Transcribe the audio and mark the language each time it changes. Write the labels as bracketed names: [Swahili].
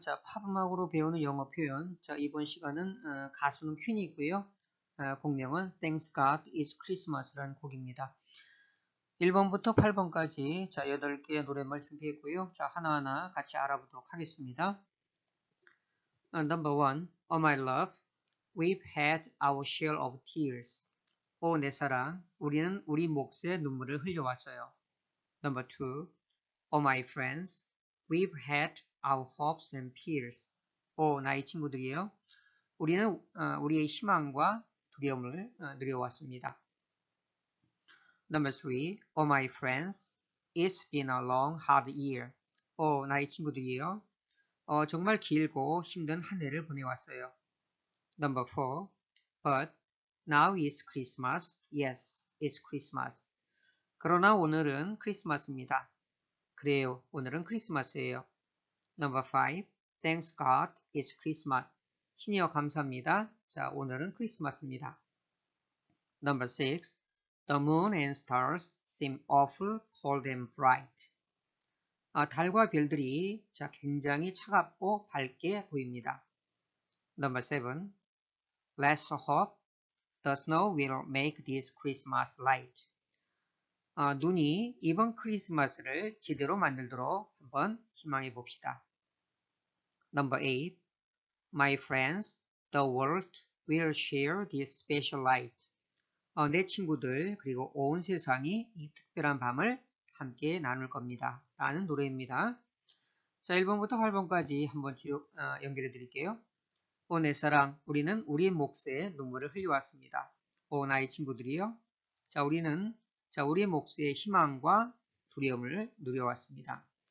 [Korean] 자, 팝음악으로 배우는 영어 표현. 자, 이번 시간은 가수는 퀸이고요. 곡명은 Thanks God It's Christmas라는 곡입니다. 1번부터 8번까지 자, 8개의 노랫말 준비했고요. 자, 하나하나 같이 알아보도록 하겠습니다. [English] Number 1. Oh my love, we've had our share of tears. [Korean] 오, 내 사랑, 우리는 우리 몫의 눈물을 흘려왔어요. [English] Number 2. Oh my friends, We've had our hopes and fears. [Korean] 오, 나의 친구들이요. 우리는 우리의 희망과 두려움을 누려왔습니다. [English] Number 3. Oh my friends, it's been a long hard year. [Korean] 오, 나의 친구들이요. 정말 길고 힘든 한 해를 보내왔어요. [English] Number 4. But now it's Christmas. Yes, it's Christmas. [Korean] 그러나 오늘은 크리스마스입니다. 그래요. 오늘은 크리스마스예요. [English] Number 5. Thanks God it's Christmas. [Korean] 신이여 감사합니다. 자, 오늘은 크리스마스입니다. [English] Number 6. The moon and stars seem awful cold and bright. [Korean] 아, 달과 별들이 자, 굉장히 차갑고 밝게 보입니다. [English] Number 7. Let's hope the snow will make this Christmas light. [Korean] 아, 눈이 이번 크리스마스를 제대로 만들도록 한번 희망해 봅시다. [English] Number 8. My friends, the world will share this special light. [Korean] 내 친구들, 그리고 온 세상이 이 특별한 밤을 함께 나눌 겁니다. 라는 노래입니다. 자, 1번부터 8번까지 한번 쭉 연결해 드릴게요. 오, 내 사랑, 우리는 우리의 몫에 눈물을 흘려왔습니다. 오, 나의 친구들이요. 자, 우리는 자, 우리의 몫의 희망과 두려움을 누려왔습니다.